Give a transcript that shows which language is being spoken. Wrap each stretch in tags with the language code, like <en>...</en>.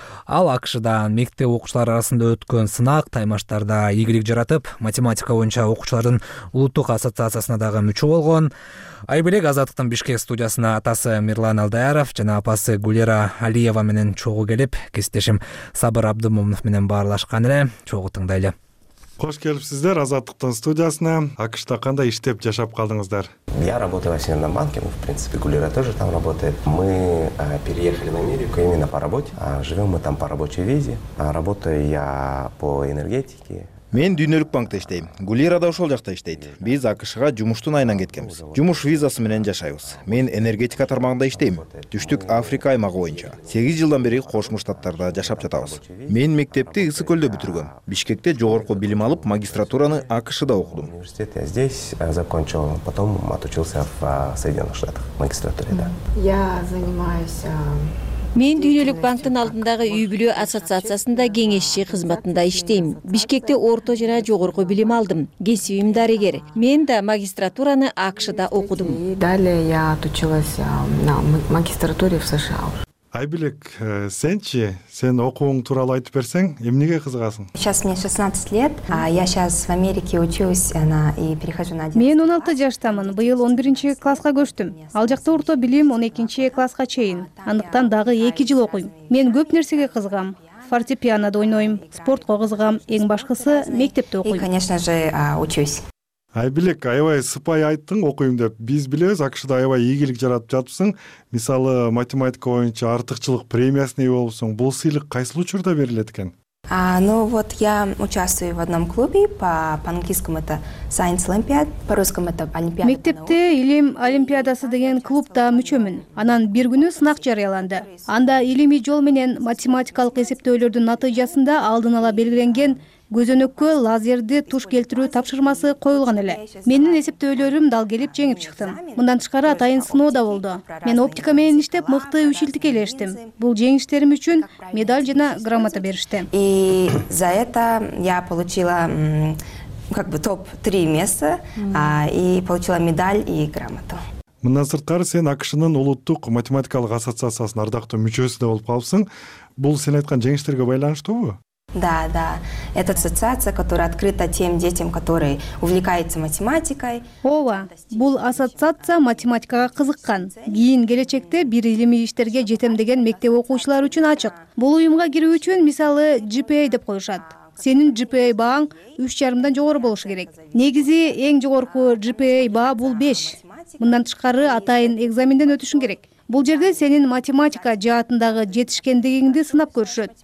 <ky>Ал АКШ-да мектеп окуучулары арасында өткөн сынак таймаштарда ийгилик жаратып, математика боюнча окуучулардын улуттук ассоциациясына дагы мүчө болгон. Айбилек Азаттыктын Бишкек студиясына атасы Мирлан Алдаяров жана апасы Гулера Алиева менен чогуу келип, кесиптешим Сабыр Абдымомунов менен баарлашкан эле. Чогуу тыңдайлы. Кош келипсиздер Азаттыктын студиясына. АКШ-та кандай иштеп жашап калдыңыздар?</ky> <ru>Я работаю в Северном банке, в принципе, Гулера тоже там работает. Мы переехали в Америку именно по работе. Живем мы там по рабочей визе. Работаю я по энергетике.</ru> <ky>Мен Дүйнөлүк банкта иштейм. Гулера да ошол жакта иштейт. Биз АКШ-га жумуштун айынан кеткенбиз. Жумуш визасы менен жашайбыз. Мен энергетика тармагында иштейм. Түштүк Африка аймагы боюнча. 8 жылдан бери Кошмо Штаттарда жашап жатабыз. Мен мектепти Ысык Көлдө бүтүргөм. Бишкекте жогорку билим алып, магистратураны АКШ-да окудум.</ky> <ru>Университетте здесь закончил, потом отучился в Соединённых Штатах в магистратуре, да. Я занимаюсь</ru> <ky>Мен Дүйнөлүк банктын алдындагы үй бүлө ассоциациясында кеңешчи кызматында иштейм. Бишкекте орто жана жогорку билим алдым. Кесибим дарыгер. Мен да магистратураны АКШ-да окудум.</ky> <ru>Далее я отучилась на магистратуре в США.</ru> <ky>Айбилек, сенчи, сен окууң тууралуу айтып берсең, эмнеге кызыгасың?</ky> <ru>Сейчас мне 16 лет, а я сейчас в Америке учусь, она и перехожу на 11.</ru> <ky>Мен 16 жаштамын, быйыл 11-чи класска көчтүм. Ал жакта орто билим 12-чи класска чейин. Андыктан дагы 2 жыл окуйм. Мен көп нерсеге кызыгам. Фортепианода ойнойм, спортко кызыгам, эң башкысы мектепте окуйм.</ky> <ru>И, конечно же, учусь.</ru> <ky>Айбилек, аябай сыпай айттың, окуйм деп. Биз билебиз, АКШ-да аябай ийгилик жаратып жатыпсың. Мисалы, математика боюнча артыкчылык премиясына ээ болупсуң. Бул сыйлык кайсыл учурда берилет экен?</ky> <ru>Я участвую в одном клубе, по-английскому это Science Olympiad, по-русскому это Олимпиада.</ru> <ky>Мектепте илим олимпиадасы деген клубта мүчөмүн. Анан бир күнү сынак жарыяланды. Анда илимий жол менен математикалык эсептөөлөрдүн натыйжасында алдын ала белгиленген көзөнөккө лазерди туш келтирүү тапшырмасы коюлган эле. Менин эсептөөлөрүм дал келип жеңип чыктым. Мындан тышкары атайын сыноо да болду. Мен оптика менен иштеп мыкты үч илтике элештим. Бул жеңиштерим үчүн медаль жана грамота беришти.</ky> <ru>И за это я получила топ-3 место и получила медаль и грамоту.</ru> <ky>Мындан сырткары сен АКШ-нын улуттук математикалык ассоциациясынын ардактуу мүчөсү да болуп калыпсың. Бул сен айткан жеңиштерге байланыштуубу?</ky> <ru>Да. Это ассоциация, которая открыта тем детям, которые увлекаются математикой.</ru> <ky>Ова, бул ассоциация математикага кызыккан. Кийин келечекте бир илимий иштерге жетем деген мектеп окуучулар үчүн ачык. Бул уюмга кирүү үчүн, мисалы, GPA деп коюшат. Сенин GPA бааң 3.5 жогору болушу керек. Негизи эң жогорку GPA баа бул 5. Мындан тышкары атайын экзаменден өтүшүң керек. Бул жерде сенин математика жаатындагы жетишкендигиңди сынап көрүшөт.</ky>